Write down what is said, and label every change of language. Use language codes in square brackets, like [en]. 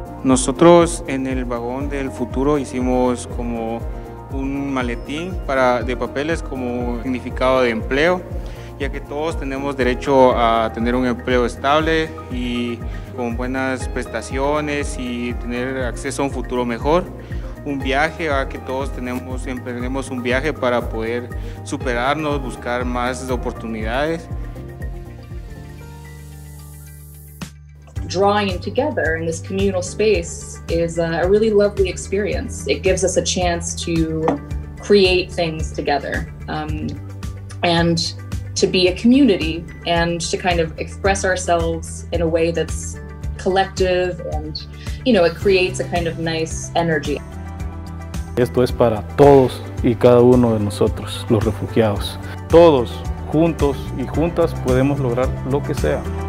[es] Nosotros en el vagón del futuro hicimos como un maletín de papeles como significado de empleo, ya que todos tenemos derecho a tener un empleo estable y con buenas prestaciones y tener acceso a un futuro mejor. Un viaje, ya que todos emprendemos un viaje para poder superarnos, buscar más oportunidades. [en] Drawing together in this communal space is a really lovely experience. It gives us a chance to create things together and to be a community and to kind of express ourselves in a way that's collective and, you know, it creates a kind of nice energy. [es] Esto es para todos y cada uno de nosotros, los refugiados. Todos, juntos y juntas, podemos lograr lo que sea.